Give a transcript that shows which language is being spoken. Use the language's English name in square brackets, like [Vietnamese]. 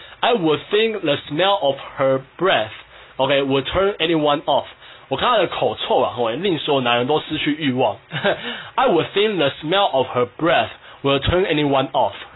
[English] I would think the smell of her breath, OK, would turn anyone off。 [Chinese] 我看她的口臭啊，会令所有男人都失去欲望。 [English] I would think the smell of her breath will turn anyone off。